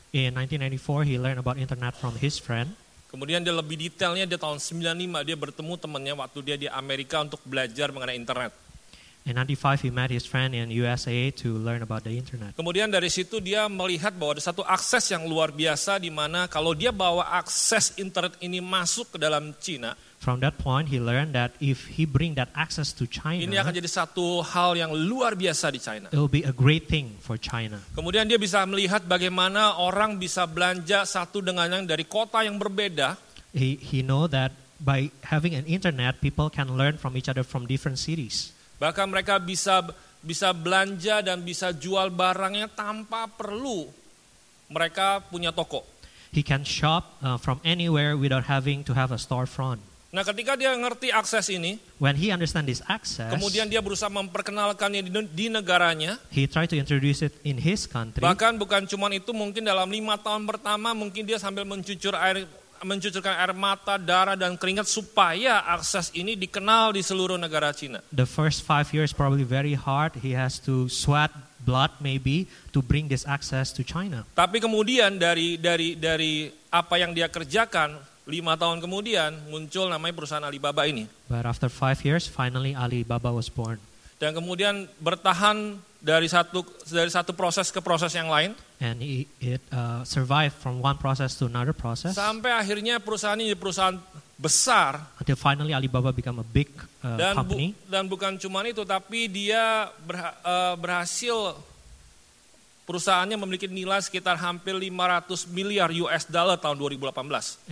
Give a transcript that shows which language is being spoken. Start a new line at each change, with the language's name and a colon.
English: In 1994 he learned about internet from his friend.
Indonesian: Kemudian dia lebih detailnya di tahun 95 dia bertemu temannya waktu dia di Amerika untuk belajar mengenai internet.
English: In 95 he met his friend in USA to learn about the internet.
Indonesian: Kemudian dari situ dia melihat bahwa ada satu akses yang luar biasa di mana kalau dia bawa akses internet ini masuk ke dalam Cina.
English: From that point he learned that if he bring that access to China.
Indonesian: Ini akan jadi satu hal yang luar biasa di China.
English: It will be a great thing for China.
Indonesian: Kemudian dia bisa melihat bagaimana orang bisa belanja satu dengan yang dari kota yang berbeda.
English: He know that by having an internet people can learn from each other from different cities.
Indonesian: Bahkan mereka bisa belanja dan bisa jual barangnya tanpa perlu mereka punya toko.
English: He can shop from anywhere without having to have a storefront.
Indonesian: Nah, ketika dia ngerti akses ini,
English: when he understand this access,
Indonesian: kemudian dia berusaha memperkenalkannya di negaranya.
English: He try to introduce it in his country.
Indonesian: Bahkan bukan cuma itu, mungkin dalam 5 tahun pertama mungkin dia sambil mencucurkan air mata, darah dan keringat supaya akses ini dikenal di seluruh negara Cina.
English: The first 5 years probably very hard. He has to sweat blood maybe to bring this access to China.
Indonesian: Tapi kemudian dari apa yang dia kerjakan 5 tahun kemudian muncul namanya perusahaan Alibaba ini.
English: But after 5 years finally Alibaba was born.
Indonesian: Dan kemudian bertahan dari satu proses ke proses yang lain.
English: And it survived from one process to another process.
Indonesian: Sampai akhirnya perusahaan ini perusahaan besar.
English: Until finally Alibaba become a big company.
Indonesian: Dan bukan cuma itu, tapi dia berhasil perusahaannya memiliki nilai sekitar hampir 500 miliar US dollar tahun 2018.